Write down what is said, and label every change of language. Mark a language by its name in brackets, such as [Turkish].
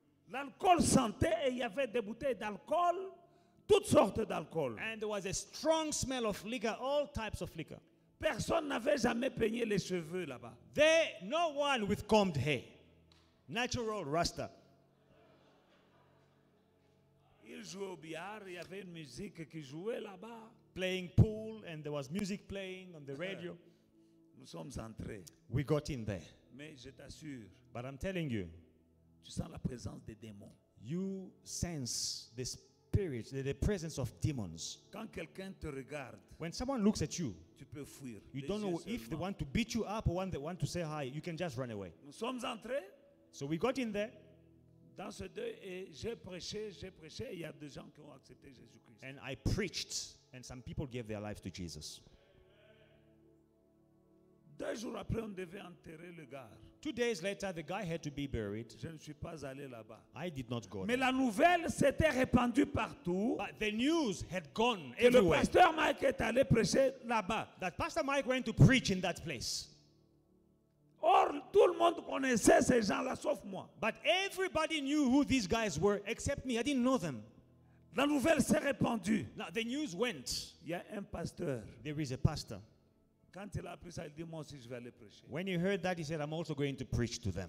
[French] L'alcool sentait et il y avait des bouteilles d'alcool. Toutes sortes d'alcool. [English] And there was a strong smell of liquor, all types of liquor. [French] Personne n'avait jamais peigné les cheveux là-bas. [English] There, no one with combed hair. Natural rasta. [French] Il jouait au billard, il y avait une musique qui jouait là-bas. [English] Playing pool, and there was music playing on the radio. [French] Nous sommes entrés. [English] We got in there. [French] Mais je t'assure. [English] But I'm telling you. [French] Tu sens la présence des démons. [English] You sense the spirit. The presence of demons. [French] Quand quelqu'un te regarde, [English] when someone looks at you, [French] tu peux fuir. [English] You don't know if they want to beat you up or they want to say hi. You can just run away. [French] Nous sommes entrés. [English] So we got in there. [French] Dans ce deuil et j'ai prêché. Il y a des gens qui ont accepté Jésus-Christ. [English] And I preached, and some people gave their life to Jesus. [French] Deux jours après, on devait enterrer le gars. [English] 2 days later, the guy had to be buried. [French] Je ne suis pas allé là-bas. [English] I did not go. [French] Mais la nouvelle s'était répandue partout. [English] But the news had gone [French] que [English] everywhere. [French] Le pasteur Mike est allé prêcher là-bas. [English] That Pastor Mike went to preach in that place. [French] Or, tout le monde connaissait ces gens-là, sauf moi. [English] But everybody knew who these guys were, except me. I didn't know them. [French] La nouvelle s'est répandue. [English] Now, the news went. [French] Il y a un pasteur. [English] There is a pastor. [French] Quand il a appris ça, il dit, moi aussi, je vais aller prêcher. [English] When he heard that, he said, I'm also going to preach to them.